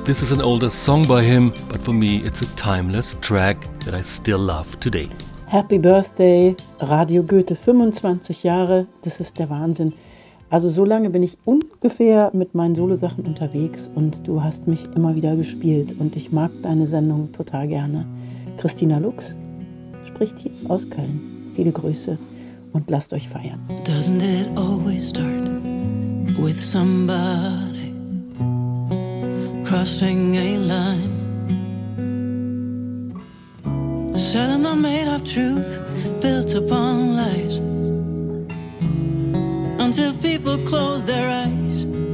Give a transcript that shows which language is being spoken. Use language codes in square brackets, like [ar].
[en] This is an older song by him, but for me it's a timeless track that I still love today. Happy Birthday, [de] Radio Goethe, 25 Jahre, das ist der Wahnsinn. Also so lange bin ich ungefähr mit meinen Solo-Sachen unterwegs und du hast mich immer wieder gespielt und ich mag deine Sendung total gerne. Christina Lux spricht hier aus Köln. Viele Grüße und lasst euch feiern. [en] Doesn't it always start with somebody crossing a line? Selling the made up truth built upon lies, until people close their eyes.